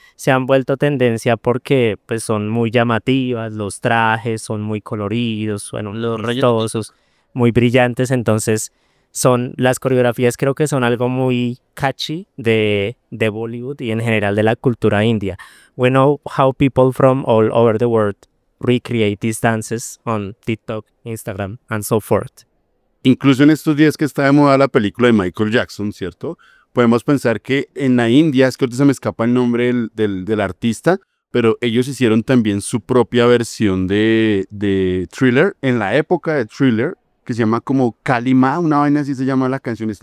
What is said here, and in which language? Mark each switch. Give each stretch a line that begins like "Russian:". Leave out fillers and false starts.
Spanish: Se han vuelto tendencia porque, pues, son muy llamativas, los trajes son muy coloridos, vistosos, muy brillantes. Entonces, son las coreografías, creo que son algo muy catchy de Bollywood y en general de la cultura india.
English: We know how people from all over the world recreate these dances on TikTok, Instagram, and so forth.
Spanish: Incluso en estos días que está de moda la película de Michael Jackson, ¿cierto? Podemos pensar que en la India, es que ahorita se me escapa el nombre del artista, pero ellos hicieron también su propia versión de Thriller, en la época de Thriller, que se llama como Kalima, una vaina así se llama la canción.